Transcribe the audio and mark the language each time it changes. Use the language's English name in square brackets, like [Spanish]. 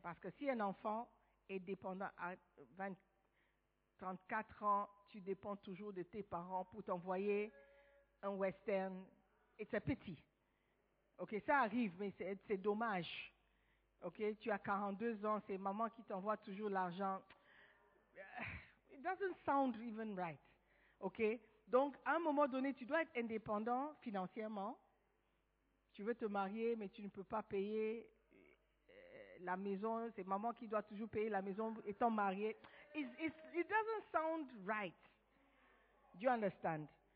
[French] Parce que si un enfant est dépendant à 20, 34 ans, tu dépends toujours de tes parents pour t'envoyer un western, et c'est petit. Ok, ça arrive, mais c'est dommage. Ok, tu as 42 ans, c'est maman qui t'envoie toujours l'argent. [English] It doesn't sound even right. [French] Ok, donc à un moment donné, tu dois être indépendant financièrement. Tu veux te marier, mais tu ne peux pas payer la maison. C'est maman qui doit toujours payer la maison étant mariée. [English] It doesn't sound right. Do you understand?